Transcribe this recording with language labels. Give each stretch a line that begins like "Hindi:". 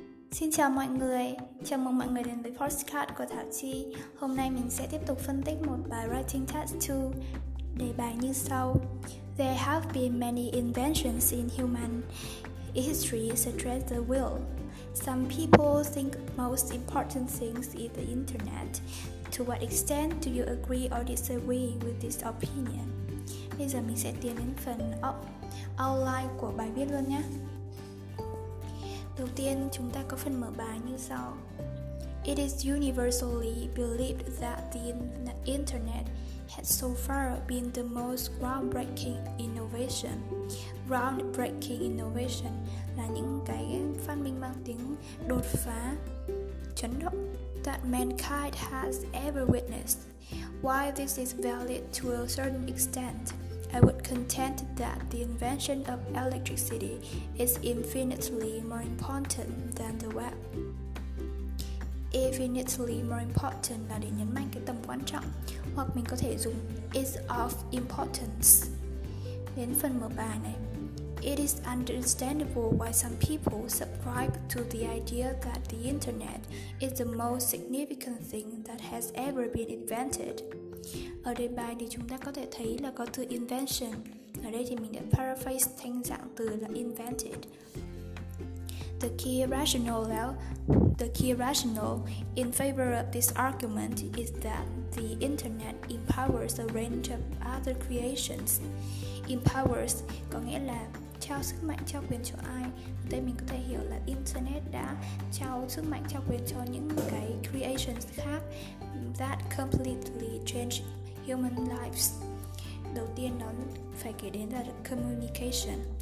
Vietnamese: Xin chào mọi người, chào mừng mọi người đến với podcast của Thảo Chi. Hôm nay mình sẽ tiếp tục phân tích một bài writing test 2, đề bài như sau.
English: There have been many inventions in human history such as the wheel. Some people think most important things is the internet. To what extent do you agree or disagree with this opinion?
Vietnamese: Bây giờ mình sẽ tiến đến phần outline của bài viết luôn nhé. Đầu tiên, chúng ta có phần mở bài như sau.
English: It is universally believed that the Internet has so far been the most groundbreaking innovation.
Vietnamese: Groundbreaking innovation là những cái phát minh mang tính đột phá, chấn động,
English: that mankind has ever witnessed. While this is valid to a certain extent, I would contend that the invention of electricity is infinitely more important than the web. Infinitely more important
Vietnamese: là để nhấn mạnh cái tầm quan trọng, hoặc mình có thể dùng
English: is of importance.
Vietnamese: Đến phần mở bài này.
English: It is understandable why some people subscribe to the idea that the internet is the most significant thing that has ever been invented.
Vietnamese: Ở đề bài thì chúng ta có thể thấy là có từ invention. Ở đây thì mình đã paraphrase thành dạng từ là invented.
English: The key rationale in favor of this argument is that the internet empowers a range of other creations.
Vietnamese: Empowers có nghĩa là trao sức mạnh, trao quyền cho ai. Đây mình có thể hiểu là internet đã trao sức mạnh, trao quyền cho những cái creations khác
English: that completely change human lives.
Vietnamese: Đầu tiên nó phải kể đến là communication.